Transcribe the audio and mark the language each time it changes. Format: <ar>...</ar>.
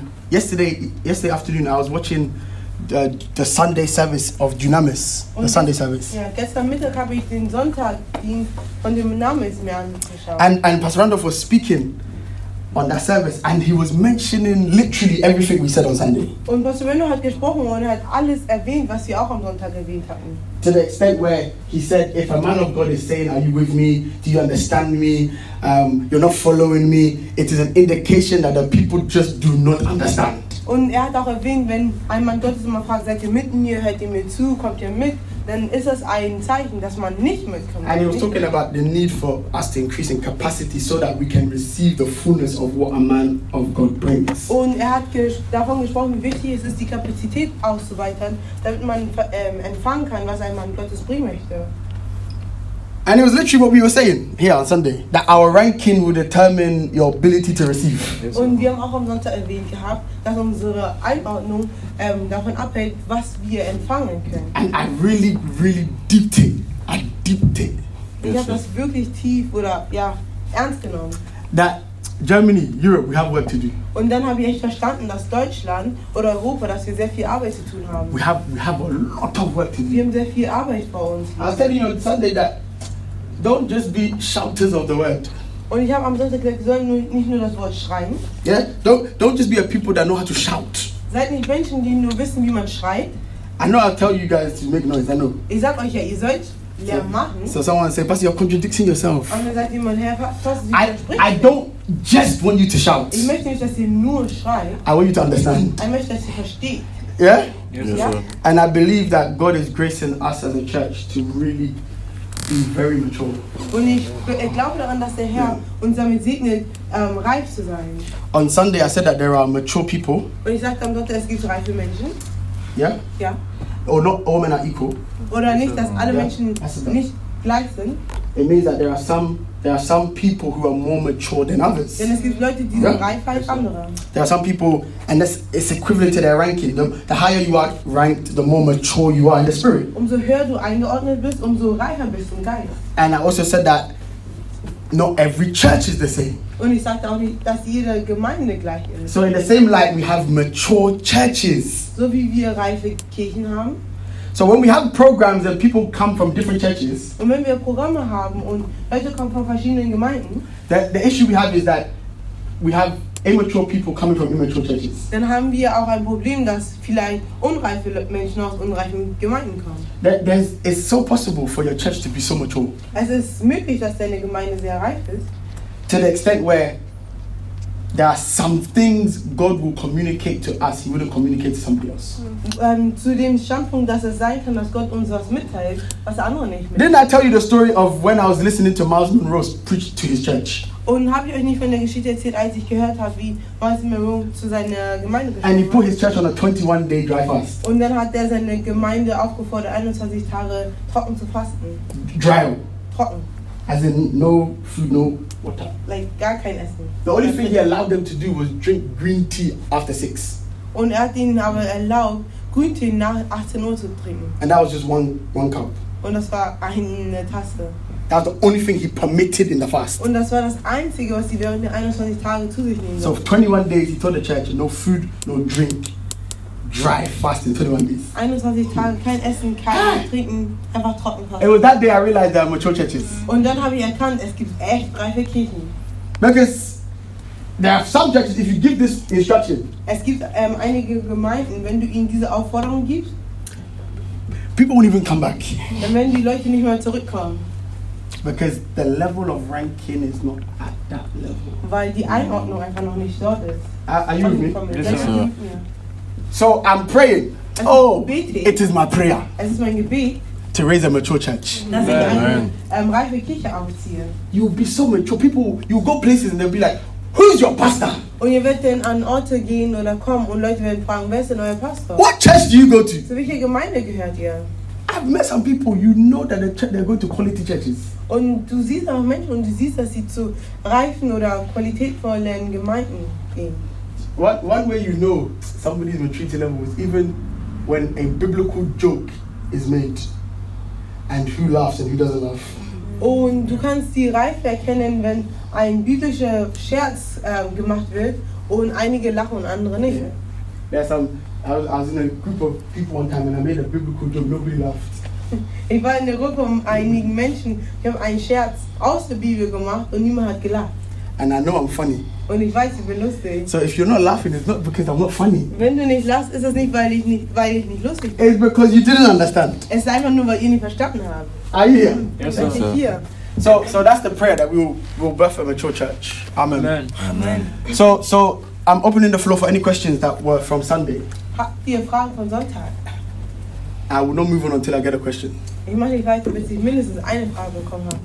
<en>Yesterday afternoon, I was watching the Sunday service of Dynamis.</en> <de>Und</de> <en>the Sunday service.</en> <de>Ja, gestern Mittag habe ich den Sonntagdienst von dem Dynamis mir angeschaut.</de> <en>And Pastor Randolph was speaking on that service, and he was mentioning literally everything we said on Sunday.</en> <de>Und Pastor Randolph hat gesprochen und hat alles erwähnt, was wir auch am Sonntag erwähnt hatten.</de> <en>To the extent where he said, if a man of God is saying, are you with me? Do you understand me? You're not following me. It is an indication that the people just do not understand.</en> <de>Und er hat auch erwähnt, wenn ein Mann Gottes immer fragt, seid ihr mit mir, hört ihr mir zu, kommt ihr mit, dann ist das ein Zeichen, dass man nicht mitkommt.</de> <en>And he was talking about the need for us to increase in capacity so that we can receive the fullness of what a man of God brings.</en> <de>Und er hat davon gesprochen, wie wichtig es ist, die Kapazität auszuweitern, damit man empfangen kann, was ein Mann Gottes bringen möchte.</de> <en>And it was literally what we were saying here on Sunday, that our ranking will determine your ability to receive.</en> <de>Und wir haben auch am Sonntag erwähnt gehabt, dass unsere Einordnung davon abhängt, was wir empfangen können.</de> <en>And I really, really deeped it. Yes,</en> <de>ich habe das wirklich tief oder ja ernst genommen.</de> <en>That Germany, Europe, we have work to do.</en> <de>Und dann habe ich echt verstanden, dass Deutschland oder Europa, dass wir sehr viel Arbeit zu tun haben.</de> <en>We have a lot of work to do.</en> <de>Wir haben sehr viel Arbeit bei uns.</de> <en>I was telling you on Sunday that don't just be shouters of the word.</en> <de>Und ich habe am Sonntag gesagt, wir sollen nicht nur das Wort schreien.</de> <en>Yeah, don't just be a people that know how to shout.</en> <de>Seid nicht Menschen, die nur wissen, wie man schreit.</de> <en>I know I'll tell you guys to make noise, I know.</en> <de>Ich sag euch ja, ihr sollt Lärm machen.</de> <en>So someone said, Pastor, you're contradicting yourself.</en> <de>Und dann sagt jemand, Herr Pastor,</de> <en>I don't just want you to shout.</en> <de>Ich möchte nicht, dass ihr nur schreit.</de> <en>I want you to understand.</en> <de>Ich möchte, dass ihr versteht.</de> <en>Yeah? Yes, yeah. And I believe that God is gracing us as a church to really be very mature.</en> <de>Und ich glaube daran, dass der Herr uns damit segnet, reif zu sein.</de> <en>On Sunday I said that there are mature people.</en> <de>Und ich sagte am Sonntag, es gibt reife Menschen.</de> <en>Yeah? Yeah. Or not all men are equal.</en> <de>Oder nicht, dass alle Menschen nicht gleich sind.</de> <en>It means that there are some people who are more mature than others.</en> <de>Denn es gibt Leute, die sind reifer als andere.</de> <en>There are some people, and it's equivalent to their ranking. The higher you are ranked, the more mature you are in the spirit.</en> <de>Umso höher du eingeordnet bist, umso reicher bist du im Geist.</de> <en>And I also said that not every church is the same.</en> <de>Und ich sagte auch nicht, dass jede Gemeinde gleich ist.</de> <en>So in the same light, we have mature churches.</en> <de>So wie wir reife Kirchen haben.</de> <en>So when we have programs and people come from different churches,</en> <de>und wenn wir Programme haben und Leute kommen von verschiedenen Gemeinden,</de> <en>the issue we have is that we have immature people coming from immature churches.</en> <de>Dann haben wir auch ein Problem, dass vielleicht unreife Menschen aus unreifen Gemeinden kommen.</de> <en>It's so possible for your church to be so mature.</en> <de>Es ist möglich, dass deine Gemeinde sehr reif ist.</de> <en>To the extent where there are some things God will communicate to us, He wouldn't communicate to somebody else.</en> <de>Zu dem Standpunkt, dass es sein kann, dass Gott uns was mitteilt, was andere nicht mitteilt.</de> <en>Didn't I tell you the story of when I was listening to Miles Monroe preach to his church?</en> <de>Und habe ich euch nicht von der Geschichte erzählt, als ich gehört habe, wie Miles Monroe zu seiner Gemeinde gesprochen hat?</de> <en>And he put his church on a 21-day dry fast.</en> <de>Und dann hat er seine Gemeinde aufgefordert, 21 Tage trocken zu fasten.</de> <en>Dry.</en> <de>Trocken.</de> <en>As in no food, no water. Like</en> <de>gar kein Essen.</de> <en>The only thing he allowed them to do was drink green tea after 6.</en> <de>Und hat ihnen aber erlaubt, grünen Tee nach 18 Uhr zu trinken.</de> <en>And that was just one cup.</en> <de>Und das war eine Tasse.</de> <en>That was the only thing he permitted in the fast.</en> <de>Und das war das Einzige, was sie während der 21 Tage zu sich nehmen.</de> <en>So for 21 days he told the church, no food, no drink, dry fast in 21 days.</en> <de>21 Tage, kein Essen, kein Trinken, einfach trocken fasten.</de> <en>It was that day I realized there are mature churches.</en> <de>Und dann habe ich erkannt, es gibt echt reife Kirchen.</de> <en>Because there are some churches, if you give this instruction.</en> <de>Es gibt einige Gemeinden, wenn du ihnen diese Aufforderung gibst.</de> <en>People won't even come back.</en> <de>Dann werden die Leute nicht mehr zurückkommen.</de> <en>Because the level of ranking is not at that level.</en> <de>Weil die Einordnung einfach noch nicht dort ist.</de> <en>Are you with me? Yes, sir. So I'm praying. Oh, it is my prayer.</en> <de>Es ist mein Gebet.</de> <en>To raise a mature church.</en> <de>Dass ich eine reife Kirche aufziehe.</de> <en>You'll be so mature. People, you'll go places and they'll be like, who's your pastor?</en> <de>Und ihr werdet dann an Orte gehen oder kommen und Leute werden fragen, wer ist denn euer Pastor?</de> <en>What church do you go to?</en> <de>Zu welcher Gemeinde gehört ihr?</de> <en>I've met some people, you know that they're going to quality churches.</en> <de>Und du siehst auch Menschen und du siehst, dass sie zu reifen oder qualitätvollen Gemeinden gehen.</de> <en>One way you know somebody's maturity level is even when a biblical joke is made and who laughs and who doesn't laugh.</en> <de>Und du kannst die Reife erkennen, wenn ein biblischer Scherz gemacht wird und einige lachen und andere nicht.</de> <en>Yeah. I was in a group of people one time and I made a biblical joke, nobody laughed.</en> <de>Ich war in der Gruppe um einigen Menschen. Ich habe einen Scherz aus der Bibel gemacht und niemand hat gelacht.</de> <en>And I know I'm funny.</en> <de>Und ich weiß, ich bin lustig.</de> <en>So if you're not laughing, it's not because I'm not funny.</en> <de>Wenn du nicht lachst, ist es nicht, weil ich nicht lustig bin.</de> <en>It's because you didn't understand.</en> <de>Es ist einfach nur, weil ihr nicht verstanden habt.</de> <en>Are you here? Yes, sir. So that's the prayer that we will birth a mature church. Amen. Amen. Amen. So I'm opening the floor for any questions that were from Sunday.</en> <de>Habt ihr Fragen von Sonntag?</de> <en>I will not move on until I get a question.</en> <de>Ich mache nicht weiter, bis ich mindestens eine Frage bekommen habe.</de>